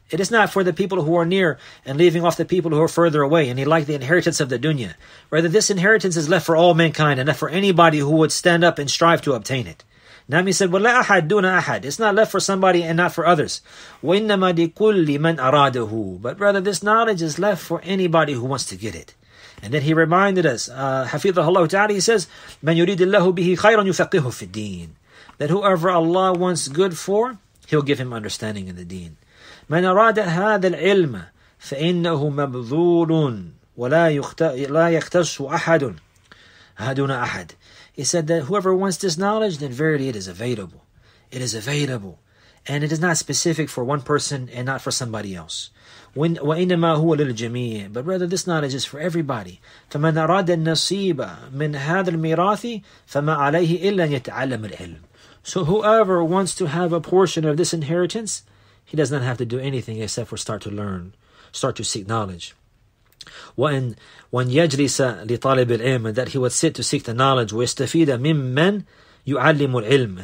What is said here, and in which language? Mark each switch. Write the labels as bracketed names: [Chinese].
[English] It is not for the people who are near and leaving off the people who are further away, and he liked the inheritance of the dunya. Rather, this inheritance is left for all mankind and not for anybody who would stand up and strive to obtain it. Nami said, [Arabic] "Wa la ahad duna ahad." [English] It's not left for somebody and not for others. [Arabic] وَإِنَّمَا لِكُلِّ مَنْ أَرَادَهُ. [English] But rather, this knowledge is left for anybody who wants to get it. And then he reminded us, حَفِظَهُ اللَّهُ تَعَالَى, he says, [Arabic] "مَنْ يُرِيدِ اللَّهُ بِهِ خَيْرًا يُفَقِّهُ فِي الدِّينِ." [English] That whoever Allah wants good for, he'll give him understanding in the deen. [Arabic] من أراد هذا العلم فإنه مبذول ولا لا يختص أحد دون أحد. [English] He said that whoever wants this knowledge, then verily it is available. It is available. And it is not specific for one person and not for somebody else. [Arabic] وإنما هو للجميع. [English] But rather this knowledge is for everybody. [Arabic] فمن أراد النصيب من هذا الميراث فما عليه إلا أن يتعلم العلم. [English] So whoever wants to have a portion of this inheritance, he does not have to do anything except for start to learn, start to seek knowledge. [Arabic] وَأَنْ يَجْلِسَ لِطَالِبِ الْعِلْمِ. [English] That he would sit to seek the knowledge. [Arabic] وَيَسْتَفِيدَ مِمَّنْ يُعَلِّمُ الْعِلْمِ.